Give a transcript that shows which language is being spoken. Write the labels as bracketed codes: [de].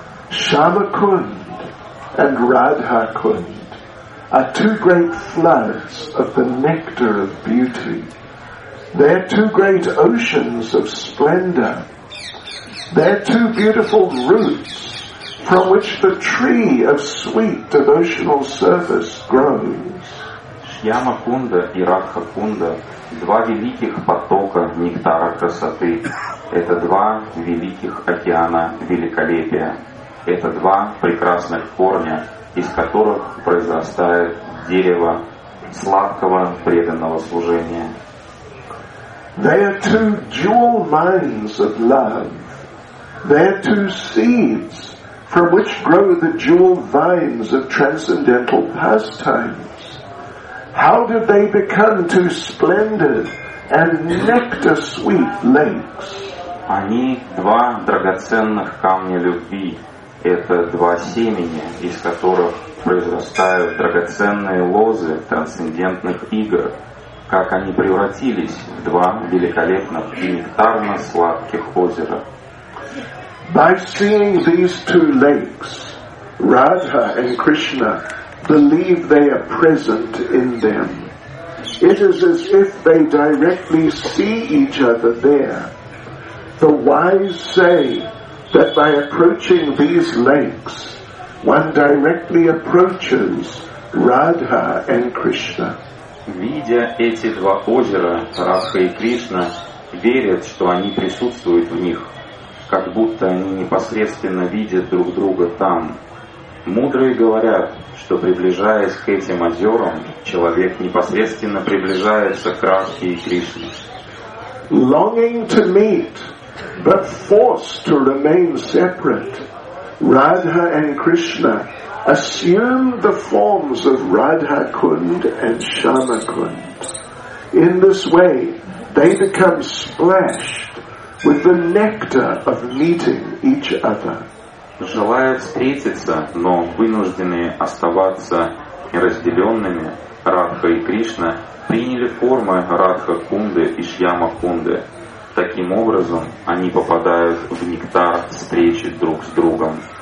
[en] Shama Kund and Radha Kund are two great floods of the nectar of beauty. They are two great oceans of splendor. They are two beautiful roots from which the tree of sweet devotional service grows. [ru] Shyama Kunda and Radha Kunda – два великих потока нектара красоты. Это два великих океана великолепия. Это два прекрасных корня, из которых произрастает дерево сладкого преданного служения. [en] They are two dual minds of love. They are two seeds from which grow the dual vines of transcendental pastimes. How did they become two splendid and nectar-sweet lakes? [ru] Они два драгоценных камня любви. Это два семени, из которых произрастают драгоценные лозы трансцендентных игр. Как они превратились в два великолепных и нектарно-сладких озера. [en] By seeing these two lakes, Radha and Krishna believe they are present in them. It is as if they directly see each other there. The wise say that by approaching these lakes, one directly approaches Radha and Krishna. [ru] Видя эти два озера, Радха и Кришна верят, что они присутствуют в них, как будто они непосредственно видят друг друга там. Мудрые говорят, что приближаясь к этим озерам, человек непосредственно приближается к Радхе и Кришне. [en] Longing to meet, but forced to remain separate, Radha and Krishna assume the forms of Radha Kund and Shama Kund. In this way, they become splashed with the nectar of meeting each other. [ru] Желая встретиться, но вынужденные оставаться разделенными, Радха и Кришна приняли формы Радха Кунды и Шьяма Кунды. Таким образом, они попадают в нектар встречи друг с другом.